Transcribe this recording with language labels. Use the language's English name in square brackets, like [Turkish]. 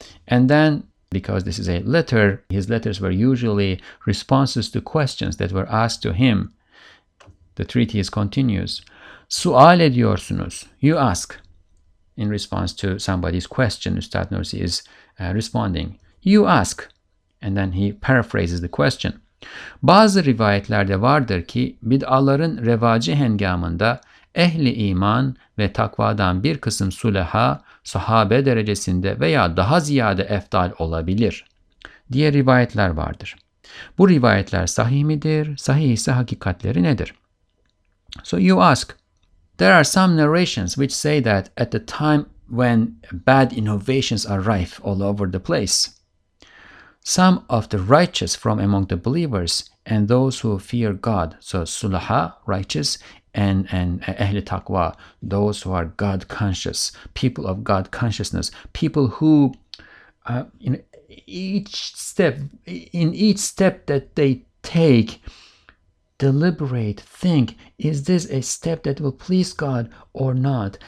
[English] And then, because this is a letter, his letters were usually responses to questions that were asked to him. The treatise continues. [Turkish] Sual ediyorsunuz. [English] You ask. In response to somebody's question, Ustad Nursi is responding. You ask. And then he paraphrases the question. [Turkish] Bazı rivayetlerde vardır ki bid'aların revacı hengamında ehli iman ve takvadan bir kısım sulaha, sahabe derecesinde veya daha ziyade efdal olabilir diye rivayetler vardır. Bu rivayetler sahih midir? Sahih ise hakikatleri nedir? [English] So you ask, there are some narrations which say that at the time when bad innovations are rife all over the place, some of the righteous from among the believers and those who fear God, so sulaha, righteous, and ahli taqwa, those who are God conscious, people of God consciousness, people who in each step that they take, deliberate, think, is this a step that will please God or not?